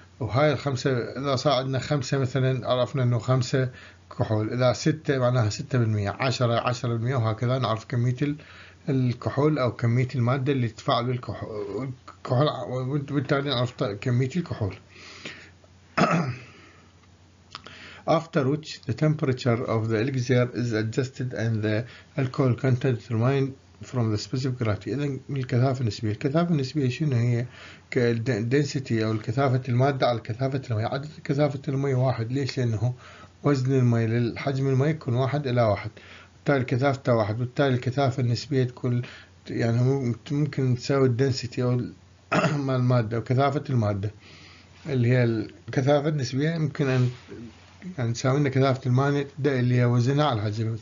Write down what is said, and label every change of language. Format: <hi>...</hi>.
<ar>وهاي الخمسة اذا صار عندنا خمسة مثلا عرفنا انه 5 كحول، اذا 6 معناها 6%، 10 10%، وهكذا نعرف كمية الكحول او كمية المادة اللي تتفاعل ويا الكحول، وبالتالي نعرف كمية الكحول.</ar> <en>After which the temperature of the elixir is adjusted and the alcohol content determined from the specific gravity.</en> <ar>إذن الكثافة النسبية، الكثافة النسبية شنو هي؟ density أو الكثافة المادة على كثافة المي، عدد كثافة المي 1. ليش؟ لأنه وزن المي للحجم المي يكون 1 إلى 1، بالتالي كثافته 1، بالتالي الكثافة النسبية تكون يعني ممكن تساوي density أو المادة وكثافة المادة اللي هي الكثافة النسبية، يمكن أن يعني تساوي لنا كثافة المادة اللي هي وزنها على الحجم.</ar>